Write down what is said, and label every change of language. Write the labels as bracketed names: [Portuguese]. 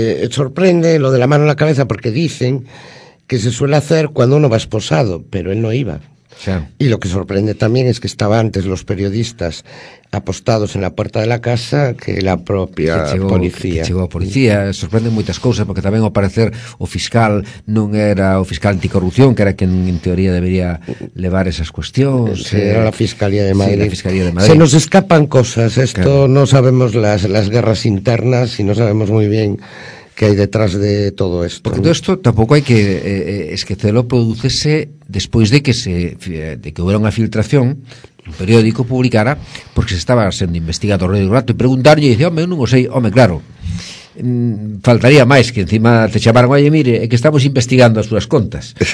[Spanish] Sorprende lo de la mano en la cabeza, porque dicen que se suele hacer cuando uno va esposado, pero él no iba. Y lo que sorprende también es que estaban antes los periodistas apostados en la puerta de la casa que la propia policía. [Galician] Que chegou a policía. Sorprende moitas cousas, porque tamén ao parecer o fiscal non era o fiscal anticorrupción, que era quen en teoría debería levar esas cuestións. [Spanish] Era la Fiscalía de Madrid. La Fiscalía de Madrid. Se nos escapan cosas. Esto claro. No sabemos las guerras internas y no sabemos muy bien que [Galician] hai detrás de todo isto. Porque todo isto tampouco hai que esquecelo, producese despois de que houbera unha filtración, un periódico publicara, porque se estaba sendo investigado o Rodrigo Rato, e preguntarlle, e dice, home, eu non o sei, home, claro, faltaría máis que encima te chamaran, [Spanish] oye, mire, [Galician] é que estamos investigando as súas contas.